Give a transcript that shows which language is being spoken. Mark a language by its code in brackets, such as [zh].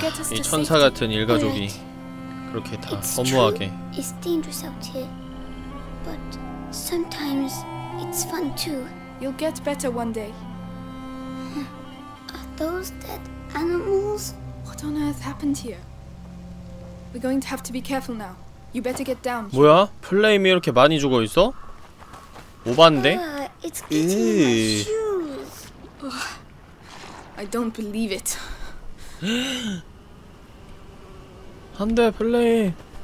[ko] 이 천사 같은 일가족이 그렇게 다 허무하게. [en] It's dangerous out here, but sometimes it's fun too. You'll get better one day. Are those dead animals? What on earth happened here? We're going to have to be careful now. You better get down. [ko] 뭐야? 플레임이 이렇게 많이 죽어 있어? 오반데? [en] It's getting in my shoes. I don't believe it. [ko] 안 돼, 플레이.